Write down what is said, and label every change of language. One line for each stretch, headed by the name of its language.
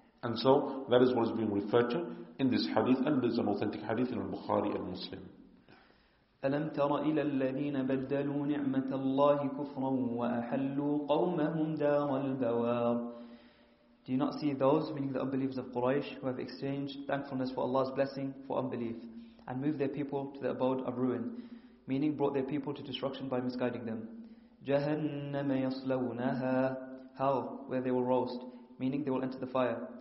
English: And so, that is what is being referred to in this hadith, and there is an authentic hadith in Al-Bukhari and Muslim.
Arabic: ألم تر إلى الذين بدلوا نعمة الله كفرا وأحلوا قومهم دار البوار.
English: Do you not see those, meaning the unbelievers of Quraysh, who have exchanged thankfulness for Allah's blessing for unbelief and moved their people to the abode of ruin, meaning brought their people to destruction by misguiding them.
Arabic: جهنم يصلونها.
English: Hell, where they will roast, meaning they will enter the fire.